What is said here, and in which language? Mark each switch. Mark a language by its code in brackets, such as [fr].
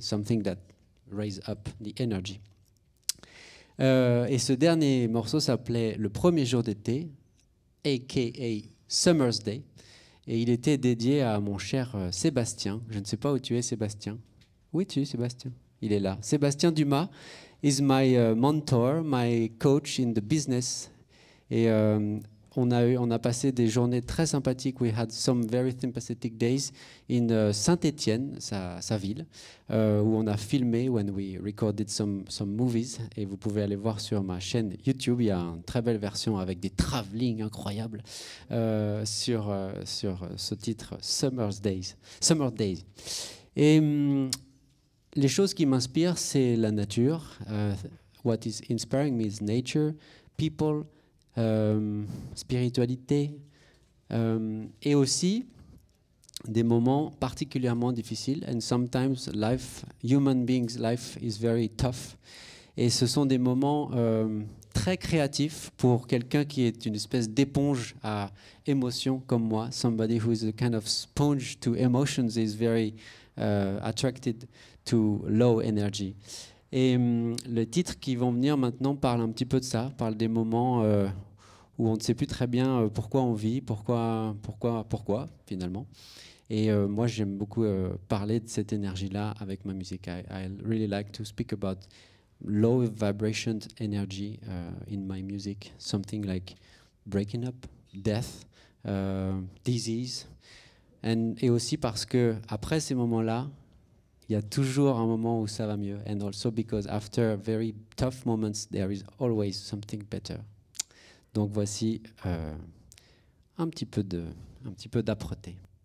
[en] Something that raises up the energy. [fr] Et ce dernier morceau s'appelait Le premier jour d'été, a.k.a. Summer's Day. Et il était dédié à mon cher Sébastien. Je ne sais pas où tu es, Sébastien. Où es-tu, Sébastien? Il est là. [en] Sébastien Dumas is my mentor, my coach in the business. [fr] Et on a passé des journées très sympathiques. [en] We had some very sympathetic days [fr] in Saint-Étienne, sa ville, où on a filmé [en] when we recorded some movies. [fr] Et vous pouvez aller voir sur ma chaîne YouTube. Il y a une très belle version avec des travelling incroyables sur ce titre Summer's Days. Summer Days. Et les choses qui m'inspirent, c'est la nature. [en] What is inspiring me is nature, people, spiritualité, [fr] et aussi des moments particulièrement difficiles. [en] And sometimes life, human beings' life is very tough. [fr] Et ce sont des moments très créatifs pour quelqu'un qui est une espèce d'éponge à émotions comme moi. [en] Somebody who is a kind of sponge to emotions is very attracted to low energy. [fr] Et les titres qui vont venir maintenant parlent un petit peu de ça, parlent des moments où on ne sait plus très bien pourquoi on vit, pourquoi finalement. Et moi j'aime beaucoup parler de cette énergie là avec ma musique. [en] I really like to speak about low vibration energy in my music, something like breaking up, death, disease. [fr] Et aussi parce que après ces moments-là, il y a toujours un moment où ça va mieux. [en] And also because after very tough moments, there is always something better. [fr] Donc voici un petit peu d'âpreté.